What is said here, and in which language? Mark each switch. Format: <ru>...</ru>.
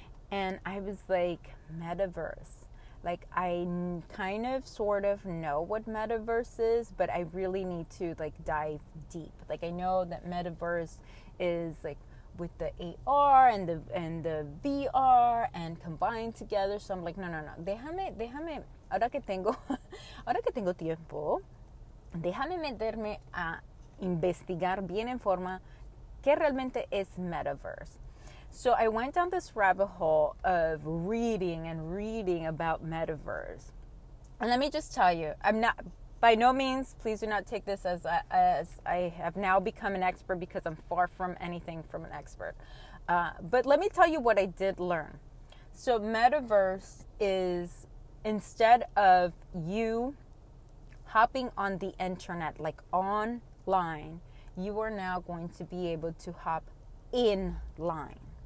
<en>And I was like, Metaverse. Like, I kind of sort of know what Metaverse is, but I really need to, like, dive deep. Like, I know that Metaverse is, like, with the AR and the VR and combined together. So I'm like, no.</en> <es>Déjame, ahora que tengo tiempo, déjame meterme a investigar bien en forma que realmente es Metaverse.</es> <en>So I went down this rabbit hole of reading about Metaverse. And let me just tell you, I'm not, by no means, please do not take this as I have now become an expert, because I'm far from anything from an expert. But let me tell you what I did learn. So Metaverse is, instead of you hopping on the internet, like online, you are now going to be able to hop in line.</en>